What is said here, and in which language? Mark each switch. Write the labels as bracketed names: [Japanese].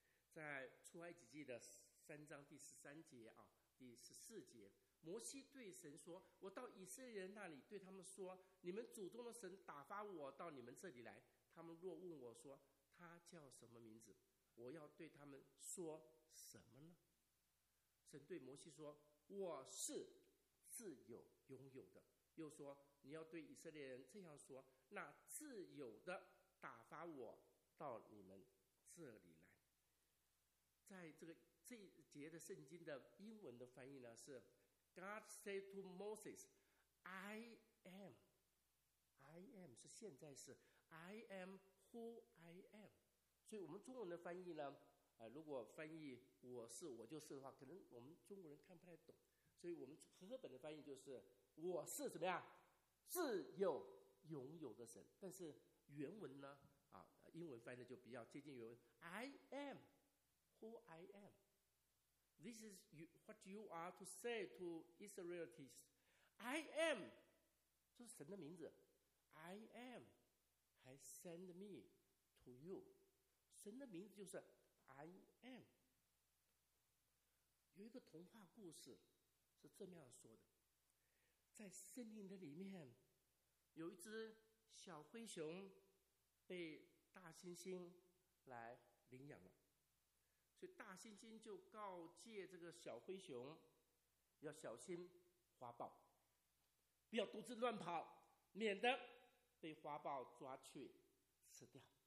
[Chinese] 在出埃及记的三章第十三节啊，第十四节，摩西对神说，我到以色列人那里对他们说，你们祖宗的神打发我到你们这里来，他们若问我说他叫什么名字，我要对他们说什么呢？神对摩西说，我是自有拥有的。又说，你要对以色列人这样说，那自有的打发我到你们这里来。在这一节的圣经的英文的翻译呢，是 [English] God said to Moses, I am [Chinese] 是现在式， [English] I am who I am。 [Chinese] 所以我们中文的翻译呢，如果翻译我是我就是的话，可能我们中国人看不太懂，所以我们和合本的翻译就是我是怎么样自有拥有的神。但是原文呢英文翻译就比较接近原文， [English] I am who I am。 This is what you are to say to Israelites, I am [Chinese] 这是神的名字， [English] I am has sent me to you。 [Chinese] 神的名字就是I am。有一个童话故事是这么样说的，在森林的里面有一只小灰熊被大猩猩来领养了，所以大猩猩就告诫这个小灰熊要小心花豹，不要独自乱跑，免得被花豹抓去吃掉。